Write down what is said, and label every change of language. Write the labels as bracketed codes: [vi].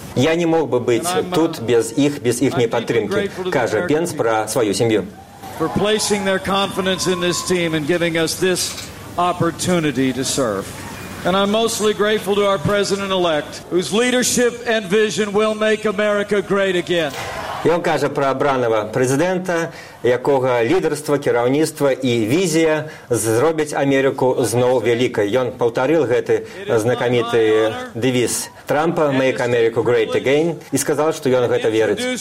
[be] Я не мог бы быць тут без іхняй падтрымкі, кажа Пенс пра сваю сям'ю. [en] For placing their confidence in this team and giving us this opportunity to serve. And I'm mostly grateful to our president-elect, whose leadership and vision will make America great again. [be] Ён кажа пра абранага прэзідэнта, якога лідарства, кіраўніцтва і візія зробяць Амерыку зноў вялікай. Ён паўтарыў гэты знакаміты дэвіз Трампа [en] «Make America Great Again» [be] і сказаў, што ён гэта верыць.